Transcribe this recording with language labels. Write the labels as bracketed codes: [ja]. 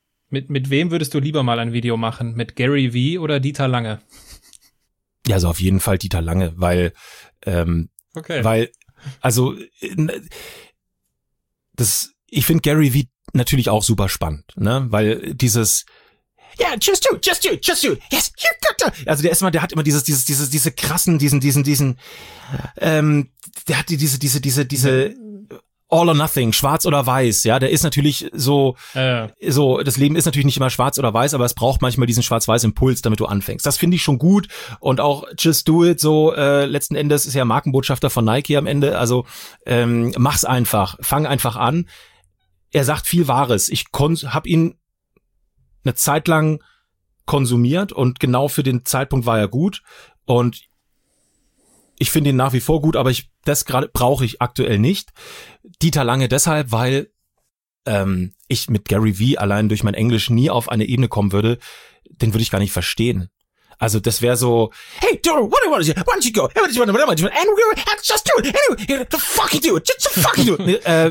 [de] Mit wem würdest du lieber mal ein Video machen? Mit Gary Vee oder Dieter Lange? Ja, also auf jeden Fall Dieter Lange, weil okay. Weil also das, ich finde Gary Vee natürlich auch super spannend, ne? [en] Weil dieses Yeah, just you. Yes, you got to. [de] Also der hat immer diese krassen, diesen der hat diese All or nothing, schwarz oder weiß, ja, der ist natürlich so, so, das Leben ist natürlich nicht immer schwarz oder weiß, aber es braucht manchmal diesen Schwarz-Weiß-Impuls, damit du anfängst. Das finde ich schon gut und auch [en] just do it, [de] so, letzten Endes ist ja Markenbotschafter von Nike am Ende, also mach's einfach, fang einfach an. Er sagt viel Wahres. Ich hab ihn eine Zeit lang konsumiert und genau für den Zeitpunkt war er gut und ich finde ihn nach wie vor gut, aber das gerade brauche ich aktuell nicht. Dieter Lange deshalb, weil ich mit Gary Vee allein durch mein Englisch nie auf eine Ebene kommen würde, den würde ich gar nicht verstehen. Also das wäre so, [en] hey, dude, what do you want to say? Why don't you go? Hey, what do you want to say? And we're gonna just do it. Anyway, the fucking do it. Just fucking do it.